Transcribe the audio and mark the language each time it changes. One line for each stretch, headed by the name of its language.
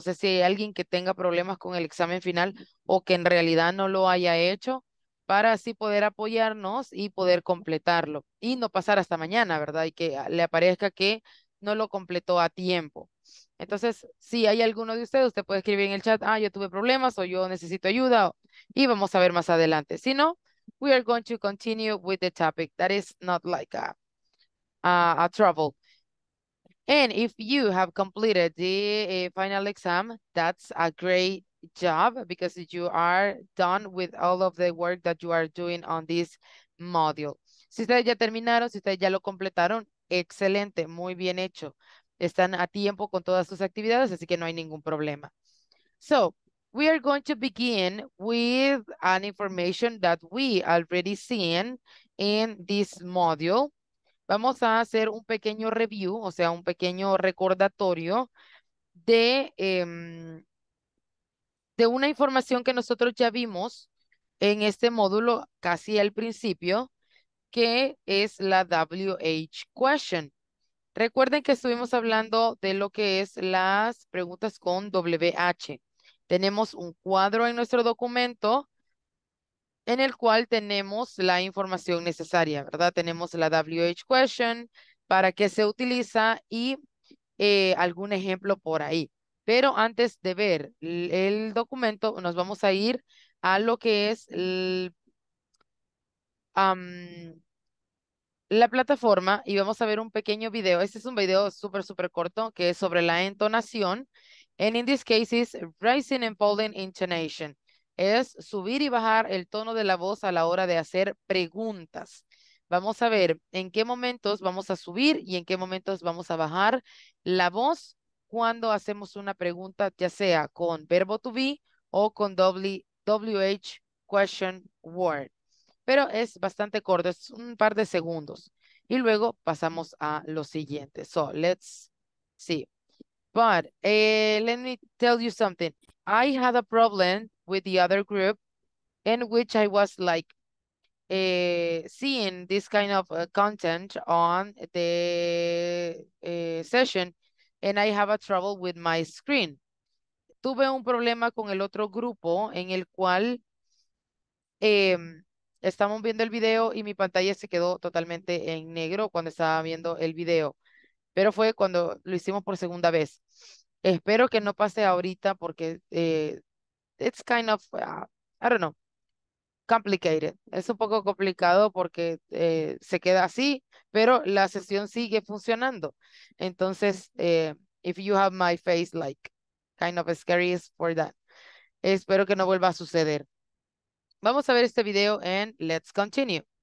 Spanish: No sé si hay alguien que tenga problemas con el examen final o que en realidad no lo haya hecho para así poder apoyarnos y poder completarlo y no pasar hasta mañana, ¿verdad? Y que le aparezca que no lo completó a tiempo. Entonces, si hay alguno de ustedes, usted puede escribir en el chat, ah, yo tuve problemas o yo necesito ayuda. Y vamos a ver más adelante. Si no,
English: we are going to continue with the topic. That is not like a trouble. And if you have completed the final exam, that's a great job because you are done with all of the work that you are doing on this module.
Spanish: Si ustedes ya terminaron, si ustedes ya lo completaron, excelente, muy bien hecho. Están a tiempo con todas sus actividades, así que no hay ningún problema.
English: So, we are going to begin with an information that we already seen in this module.
Spanish: Vamos a hacer un pequeño review, o sea, un pequeño recordatorio de de una información que nosotros ya vimos en este módulo casi al principio, que es la WH question. Recuerden que estuvimos hablando de lo que es las preguntas con WH. Tenemos un cuadro en nuestro documento en el cual tenemos la información necesaria, ¿verdad? Tenemos la WH question, para qué se utiliza y algún ejemplo por ahí. Pero antes de ver el documento, nos vamos a ir a lo que es la plataforma y vamos a ver un pequeño video. Este es un video súper, súper corto que es sobre la entonación.
English: And in this case is rising and falling intonation.
Spanish: Es subir y bajar el tono de la voz a la hora de hacer preguntas. Vamos a ver en qué momentos vamos a subir y en qué momentos vamos a bajar la voz cuando hacemos una pregunta, ya sea con verbo to be o con WH question word. Pero es bastante corto, es un par de segundos. Y luego pasamos a lo siguiente.
English: So, let's see. But let me tell you something. I had a problem with the other group in which I was like seeing this kind of content on the session and I have a trouble with my screen.
Spanish: Tuve un problema con el otro grupo en el cual estamos viendo el video y mi pantalla se quedó totalmente en negro cuando estaba viendo el video. Pero fue cuando lo hicimos por segunda vez. Espero que no pase ahorita porque
English: it's kind of, I don't know, complicated.
Spanish: Es un poco complicado porque se queda así, pero la sesión sigue funcionando. Entonces,
English: if you have my face, like, kind of scary is for that.
Spanish: Espero que no vuelva a suceder. Vamos a ver este video
English: and let's continue.